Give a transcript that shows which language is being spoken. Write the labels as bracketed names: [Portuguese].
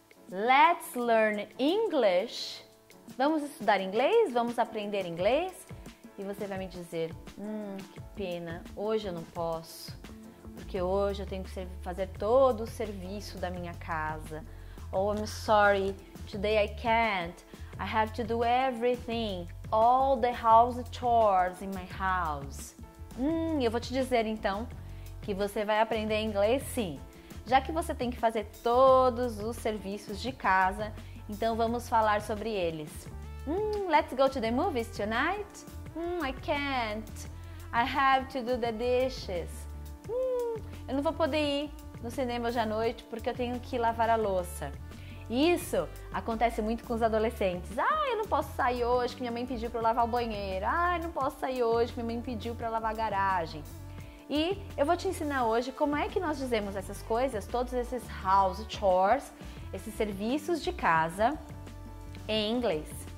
[English] Let's learn English. [Portuguese] Vamos estudar inglês? Vamos aprender inglês? E você vai me dizer: que pena, hoje eu não posso, porque hoje eu tenho que fazer todo o serviço da minha casa. [English] Oh, I'm sorry, today I can't. I have to do everything, all the house chores in my house. [Portuguese] Eu vou te dizer então que você vai aprender inglês sim, já que você tem que fazer todos os serviços de casa, então vamos falar sobre eles. [English] Let's go to the movies tonight. I can't. I have to do the dishes. [Portuguese] Eu não vou poder ir no cinema hoje à noite porque eu tenho que lavar a louça. Isso acontece muito com os adolescentes. Ah, eu não posso sair hoje, que minha mãe pediu para eu lavar o banheiro. Ah, eu não posso sair hoje, que minha mãe pediu para lavar a garagem. E eu vou te ensinar hoje como é que nós dizemos essas coisas, todos esses house chores, esses serviços de casa, em inglês.